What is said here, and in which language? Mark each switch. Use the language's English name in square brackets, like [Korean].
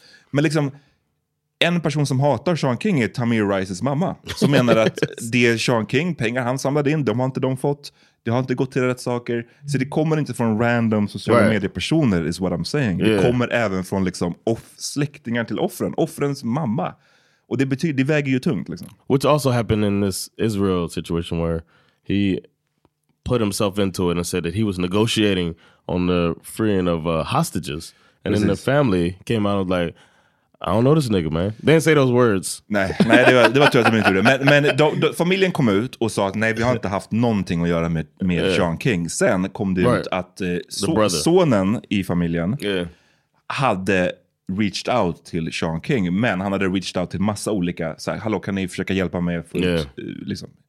[Swedish] Men liksom, en person som hatar Sean King är Tamir Rice's mamma. Som menar att det är Sean King, pengar han samlade in, de har inte de fått. Det har inte gått till rätt saker. Så det kommer inte från random sociala mediepersoner, [English] is what I'm saying. [Swedish] Yeah. Det kommer även från liksom släktingar till offren, offrens mamma. Och det betyder, det väger ju tungt liksom. [English] Which also happened in this Israel situation where he put himself into it and said that he was negotiating on the freeing of hostages. And then the family came out like, I don't know this nigga, man. They didn't say those words. [Swedish] Nej, det var tur att de inte gjorde det. Men familjen kom ut och sa att nej, vi har inte haft någonting att göra med Sean King. Sen kom det ut att sonen i familjen hade [English] reached out [Swedish] till Sean King, men han hade reached out till massa olika så här, hallå, kan ni försöka hjälpa mig för att, liksom.